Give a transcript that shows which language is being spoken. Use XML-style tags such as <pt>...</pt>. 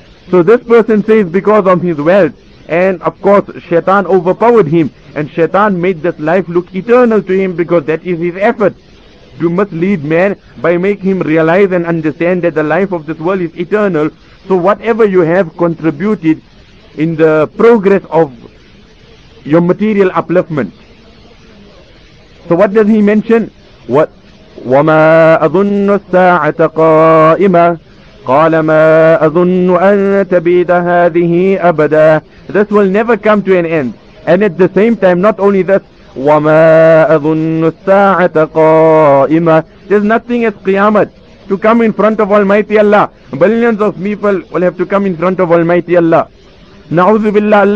<en>So this person says, because of his wealth, and of course shaitan overpowered him, and shaitan made this life look eternal to him, because that is his effort. You must lead man by making him realize and understand that the life of this world is eternal. So whatever you have contributed in the progress of your material upliftment. So what does he mention? What?</en> <ar>وَمَا أَظُنُّ السَّاعَةَ قَائِمًا قَالَ مَا أَظُنُّ أَن تَبِيدَ هَذِهِ أَبَدًا.</ar> <en>This will never come to an end. And at the same time, not only this,</en> <ar>وَمَا أَظُنُّ السَّاعَةَ قَائِمًا.</ar> <en>There's nothing as Qiyamah to come in front of Almighty Allah. Billions of people will have to come in front of Almighty Allah.</en> <ar>نَعُوذُ بِاللَّهِ.</ar>